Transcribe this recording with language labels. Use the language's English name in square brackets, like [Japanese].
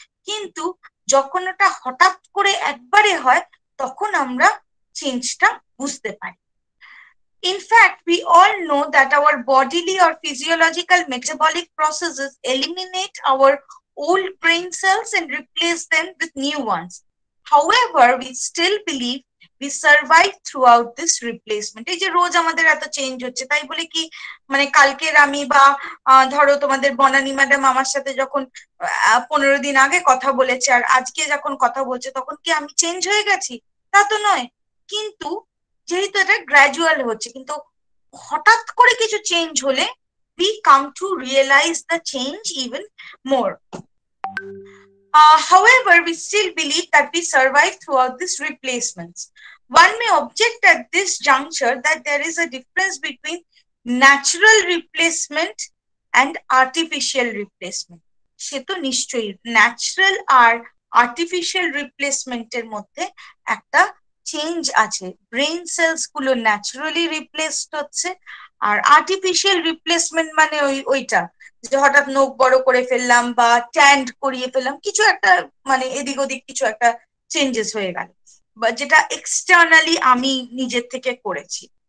[Bangla] কিন্তু যখন ওটা হঠাৎ করে একবারে হয় তখন আমরা চেঞ্জটা বুঝতে পারি। [English] In fact we all know that our bodily or physiological metabolic processes eliminate our old brain cells and replace them with new ones. However, we still believe we survive throughout this replacement. [Bangla] এই যে রোজ আমাদের এত change হচ্ছে, তাই বলে কি মানে কালকের আমি বা ধরো তোমাদের বনানী ম্যাডাম আমার সাথে যখন 15 দিন আগে কথা বলেছে আর আজকে যখন কথা বলছে তখন কি আমি চেঞ্জ হয়ে গেছি? তা তো নয়, কিন্তু যেহেতু এটা গ্র্যাজুয়াল হচ্ছে, কিন্তু হঠাৎ করে কিছু চেঞ্জ হলে [English] we come to realize the change even more. However, we still believe that we survive throughout these replacements. One may object at this juncture that there is a difference between natural replacement and artificial replacement. [Bangla] সে তো নিশ্চয়ই natural আর artificial replacement এর মধ্যে একটা change আছে. Brain cells গুলো naturally replaced হচ্ছে আর artificial replacement মানে ওই ওইটা যে হঠাৎ নখ বড় করে ফেললাম বা ট্যান্ড করিয়ে ফেললাম, কিছু একটা মানে এদিক ওদিক কিছু একটা চেঞ্জেস হয়ে গেল বা যেটা এক্সটার্নালি আমি নিজের থেকে করেছি.